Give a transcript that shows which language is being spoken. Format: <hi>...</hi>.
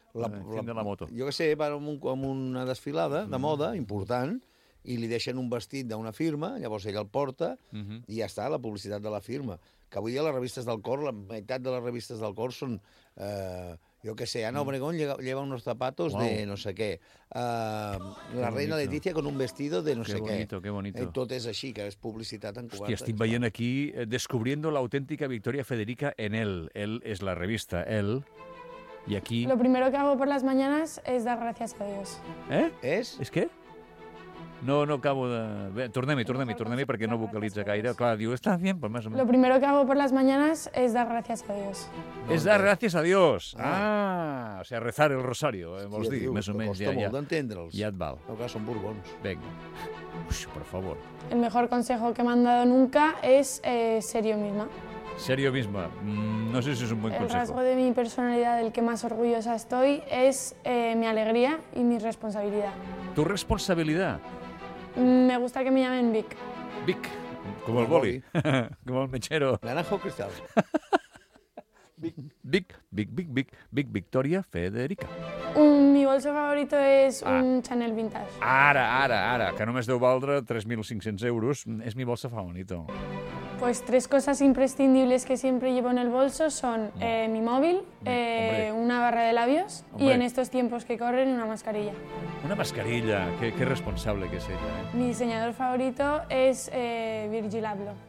<ca>La moto. Jo què sé, van amb una desfilada de moda important... i li deixen un vestit d'una firma, llavors ell el porta, i ja està, la publicitat de la firma. Que avui dia les revistes del cor, la meitat de les revistes del cor són... jo què sé,</ca> <es>Ana Obregón lleva unos zapatos de no sé què. La reina Letizia con un vestido de no sé què. Qué bonito.</es> <ca>Tot és així, que és publicitat en cobertes. Estic veient aquí Descubriendo la auténtica Victoria Federica en él. Él és la revista, él. I aquí...</ca> <es>Lo primero que hago por las mañanas es dar gracias a Dios. ¿Eh? ¿Es? ¿Es qué? No acabo de...</es> <ca>Bé, tornem-hi, perquè no vocalitza gaire. Clar, diu, està bé, però més o menys... Lo primero que hago por las mañanas es dar gracias a Dios. Es dar gracias a Dios.</ca> <es>O sea,</es> <ca>rezar el rosario, vols dir, més o menys. Costa molt d'entendre'ls. Ja et val. No, clar, són borbons.</ca> <es>Venga. Uix, por favor. El mejor consejo que me han dado nunca es ser yo misma. Ser yo misma. No sé si es un buen consejo. El rasgo de mi personalidad del que más orgullosa estoy es mi alegría y mi responsabilidad. ¿Tu responsabilidad? Me gusta que me llamen Vic. Vic, como el boli. Como el mechero. Naranjo cristal. Vic, Victoria Federica. Mi bolso favorito es un Chanel Vintage.</es> <ca>Ara, que només deu valdre 3.500 euros.</ca> <es>És mi bolsa favorito. Pues tres cosas imprescindibles que siempre llevo en el bolso son mi móvil, una barra de labios y en estos tiempos que corren una mascarilla. Una mascarilla, qué responsable que es ella. Mi diseñador favorito es Virgil Abloh.</es>